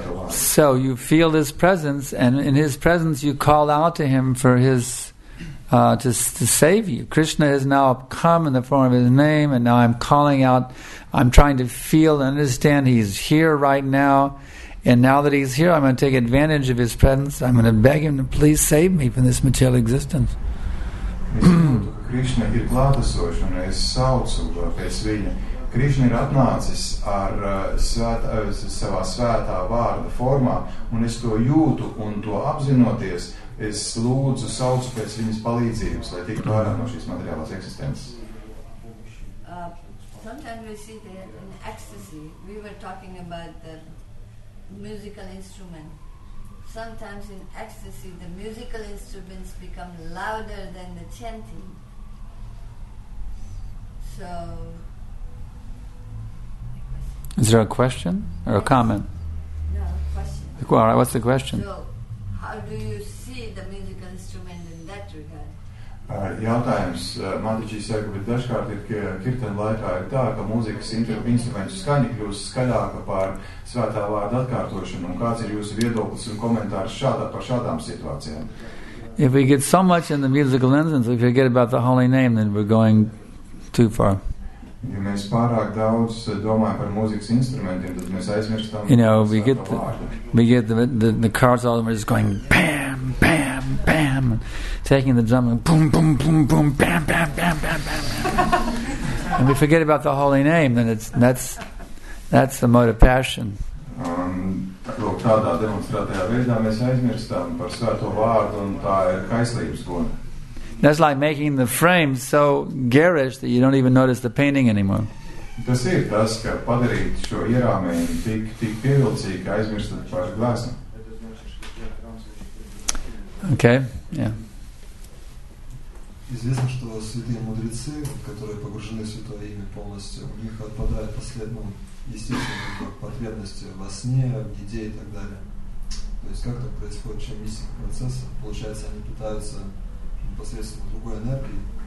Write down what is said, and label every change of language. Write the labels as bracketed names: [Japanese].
[English] So you feel his presence and in his presence you call out to him for his to save you. Krishna has now come in the form of his name and now I'm calling out, I'm trying to feel and understand he's here right now. And now that he's here, I'm going to take advantage of his presence. I'm going to beg him to please save me from this material existence. [Latvian] Krishna ir klātesošs un es saucu pēc viņa. Krishna ir atnācis ar savā svētā vārda formā, un es to jūtu un to apzinoties, es lūdzu, saucu pēc viņas palīdzības, lai tiktu ārā no šīs materiālās eksistences. [English] Sometimes we see the ecstasy. We were talking about the musical instrument. Sometimes in ecstasy, the musical instruments become louder than the chanting. So, is there a question or a comment? No, question. Well, all right, what's the question? So, how do you see the musical instrument in that regard? [Latvian] Jautājums, Mataji saka, bet dažkārt ir kirtana laikā ir tā, ka mūzikas instrumentu skaņa kļūst skaļāka pār svētā vārda atkārtošanu, un kāds ir jūsu viedoklis un komentārs šādā par šādām situācijām? [English] If we get so much in the musical instruments, if we forget about the holy name, then we're going too far. [Latvian] Ja mēs pārāk daudz domājam par mūzikas instrumentiem, tad mēs aizmirstam svētā vārda. [English] You know, we get the cards all over, it's going bam, bam, bam. Taking the drum and boom, boom, boom, boom, bam, bam, bam, bam, bam, bam. And we forget about the holy name, then that's the mode of passion. [Latvian] Tādā demonstrētajā veidā mēs aizmirstām par svēto vārdu, un tā ir kaislības gona. [English] That's like making the frame so garish that you don't even notice the painting anymore. [Latvian] Tas ir tas, ka padarīt šo ierāmēju tik pievilcīgi, ka aizmirstat par glēsni. [English] Okay, yeah. [Russian] Известно, что святые мудрецы, которые погружены в святое имя полностью, у них отпадает последнее, естественно, потребности во сне, в еде и так далее. То есть как так происходит, чем мистика процесса? Получается, они питаются непосредственно другой энергией.